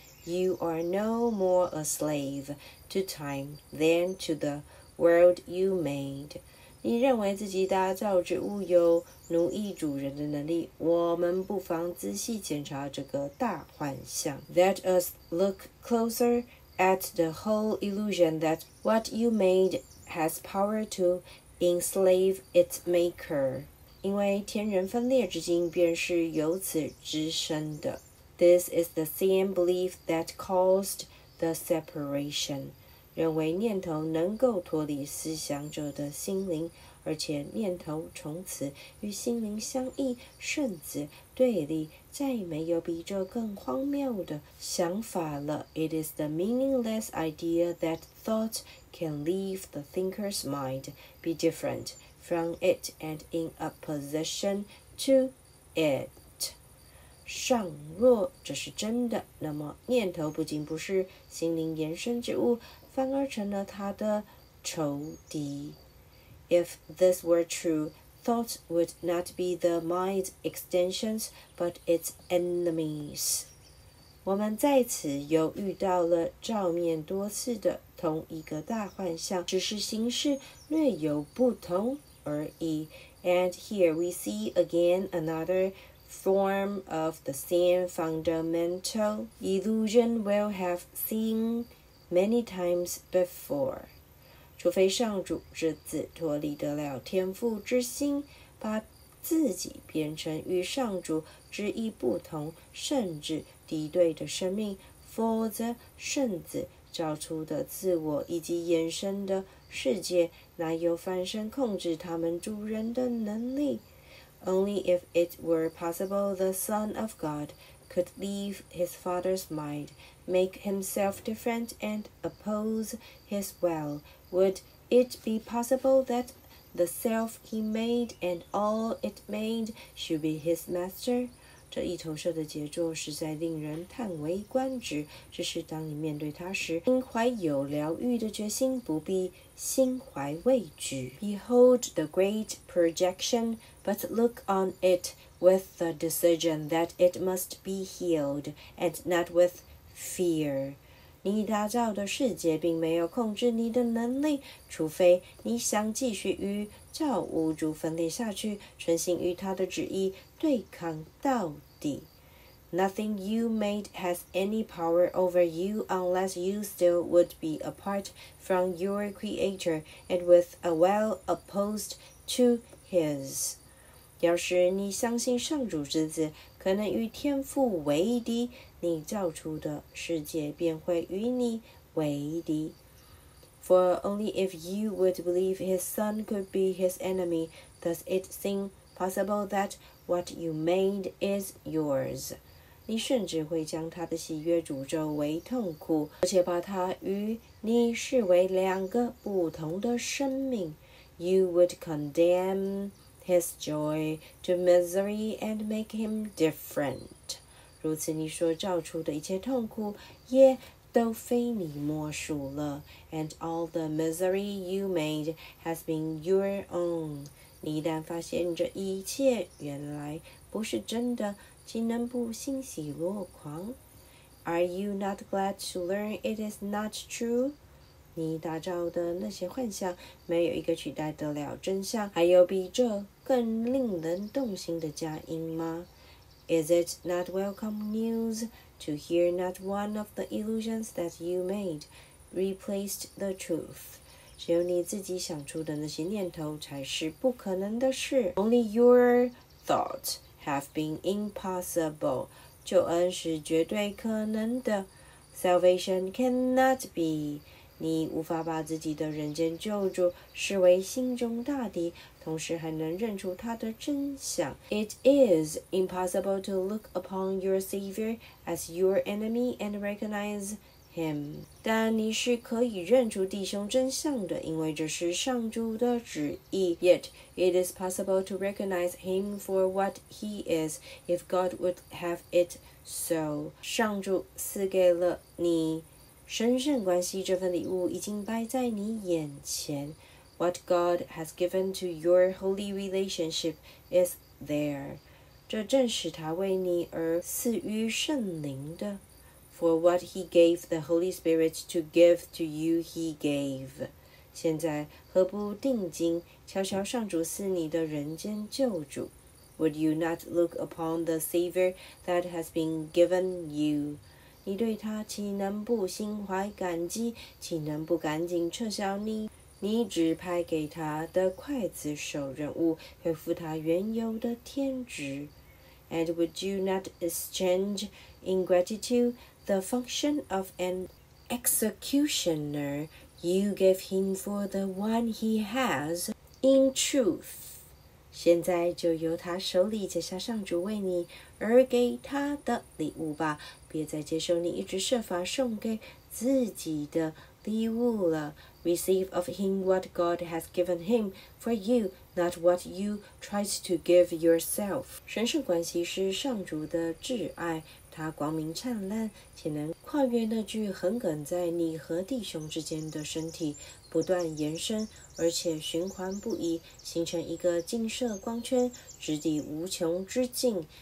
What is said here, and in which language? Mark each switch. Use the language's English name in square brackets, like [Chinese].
[English] You are no more a slave to time than to the world you made. [Chinese] 你认为自己打造之物有奴役主人的能力，我们不妨仔细检查这个大幻象。 [English] Let us look closer at the whole illusion that what you made has power to enslave its maker. [Chinese] 因为天人分裂之境便是由此之生的。 [English] This is the same belief that caused the separation. [Chinese] 认为念头能够脱离思想者的心灵，而且念头从此与心灵相异，甚至对立，再没有比这更荒谬的想法了。 [English] It is the meaningless idea that thought can leave the thinker's mind, be different from it and in opposition to it. [Chinese] 倘若这是真的，那么念头不仅不是心灵延伸之物，反而成了他的仇敌。 [English] If this were true, thought would not be the mind's extensions, but its enemies. [Chinese] 我们在此又遇到了照面多次的同一个大幻象，只是形式略有不同而已。 [English] And here we see again another form of the same fundamental illusion we'll have seen many times before. [Chinese] 除非上主之子脱离得了天父之心，把自己变成与上主之意不同甚至敌对的生命，否则圣子造出的自我以及延伸的世界哪有翻身控制他们主人的能力。 [English] Only if it were possible the Son of God could leave his father's mind, make himself different and oppose his willWould it be possible that the self he made and all it made should be his master? [Chinese] 这一投射的杰作实在令人叹为观止。只是当你面对他时，心怀有疗愈的决心，不必心怀畏惧。 [English] Behold the great projection, but look on it with the decision that it must be healed, and not with fear. [Chinese] 你打造的世界并没有控制你的能力，除非你想继续与造物主分裂下去，存心与他的旨意对抗到底。 [English] Nothing you made has any power over you unless you still would be apart from your creator and with a will opposed to his. [Chinese] 要是你相信上主之子可能与天父为敌，你造出的世界便会与你为敌。 [English] For only if you would believe his son could be his enemy, does it seem possible that what you made is yours. [Chinese] 你甚至会将他的喜悦诅咒为痛苦，而且把他与你视为两个不同的生命。 [English] You would condemn his joy to misery and make him different. [Chinese] 如此你所造出的一切痛苦也都非你莫属了。 [English] And all the misery you made has been your own. [Chinese] 你一旦发现这一切原来不是真的，岂能不欣喜若狂？ [English] Are you not glad to learn it is not true? [Chinese] 你打造的那些幻象没有一个取代得了真相，还有比这更令人动心的佳音吗？ [English] Is it not welcome news to hear not one of the illusions that you made replaced the truth? [Chinese] 只有你自己想出的那些念头才是不可能的事。 [English] Only your thoughts have been impossible. [Chinese] 救恩是绝对可能的。 [English] Salvation cannot be. [Chinese] 你无法把自己的人间救助视为心中大敌，同时还能认出他的真相。 [English] It is impossible to look upon your Savior as your enemy and recognize him. [Chinese] 但你是可以认出弟兄真相的，因为这是上主的旨意。 [English] Yet it is possible to recognize him for what he is if God would have it so. [Chinese] 上主赐给了你神圣关系，这份礼物已经摆在你眼前。 [English] What God has given to your holy relationship is there. [Chinese] 这正是他为你而赐予圣灵的。 [English] For what he gave the Holy Spirit to give to you, he gave. [Chinese] 现在何不定睛瞧瞧上主赐你的人间救主。 [English] Would you not look upon the Savior that has been given you? [Chinese] 你对他岂能不心怀感激？岂能不赶紧撤销你指派给他的刽子手任务，恢复他原有的天职 [English] ？And would you not exchange in gratitude the function of an executioner you gave him for the one he has in truth？ [Chinese] 现在就由他手里解下上主为你而给他的礼物吧。别再接受你一直设法送给自己的礼物了。 [English] Receive of him what God has given him for you, not what you tried to give yourself. [Chinese] 神圣关系是上主的挚爱，他光明灿烂，且能跨越那具横亘在你和弟兄之间的身体，不断延伸，而且循环不已，形成一个镜射光圈，直抵无穷之境。